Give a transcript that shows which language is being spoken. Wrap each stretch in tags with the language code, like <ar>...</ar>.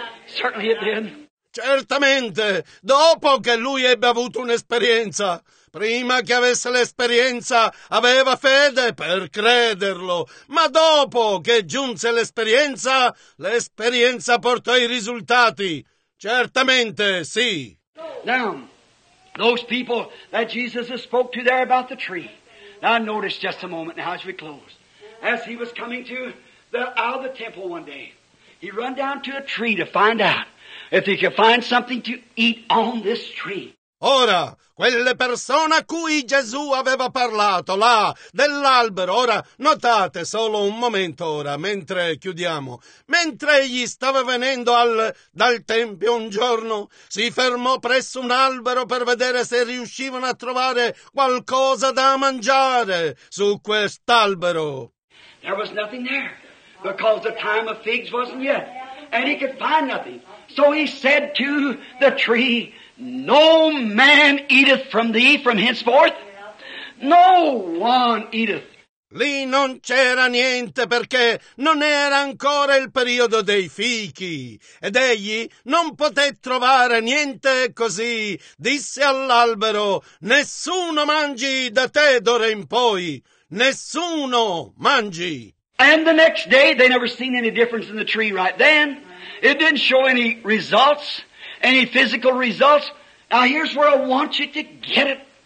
<en>Certainly it did.</en> <it>Certamente, dopo che lui ebbe avuto un'esperienza, prima che avesse l'esperienza aveva fede per crederlo, ma dopo che giunse l'esperienza portò i risultati. Certamente, sì.</it> <en>Now, those people that Jesus spoke to there about the tree, now notice just a moment now as we close. As he was coming to the out of the temple one day, he run down to a tree to find out if he could find something to eat on this tree.</en> <it>Ora, quelle persone a cui Gesù aveva parlato là dell'albero, ora notate solo un momento ora, mentre chiudiamo. Mentre egli stava venendo dal tempio un giorno, si fermò presso un albero per vedere se riuscivano a trovare qualcosa da mangiare su quest'albero.</it> <en>There was nothing there, because the time of figs wasn't yet, and he could find nothing. So he said to the tree, no man eateth from thee from henceforth. No one eateth.</en> <it>Lì non c'era niente perché non era ancora il periodo dei fichi. Ed egli non poté trovare niente così. Disse all'albero, nessuno mangi da te d'ora in poi. Nessuno mangi.</it> <en>And the next day they never seen any difference in the tree right then. It didn't show any results, any physical results. Now here's where I want you to get it.</en>